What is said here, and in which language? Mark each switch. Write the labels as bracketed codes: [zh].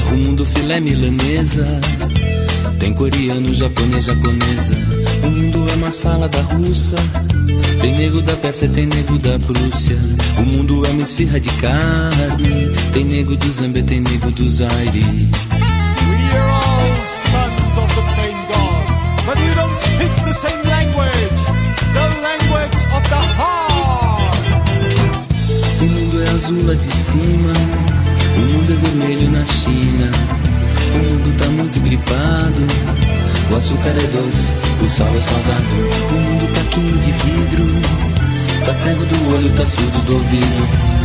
[pt] O mundo filé milanesa, tem coreano, japonês, japonesa. O mundo é uma sala da russa, tem negro da Pérsia, tem negro da Prússia. O mundo é uma esfirra de carne, tem negro do Zambia, tem negro do Zaire. [en] We are all sons of the same God, but we don't speak the same language, the language of the heart. [pt] O mundo é azul lá de cima, o mundo é vermelho na China. O mundo tá muito gripado, o açúcar é doce, o sal é salgado. O mundo tá quinho de vidro, tá cego do olho, tá surdo do ouvido.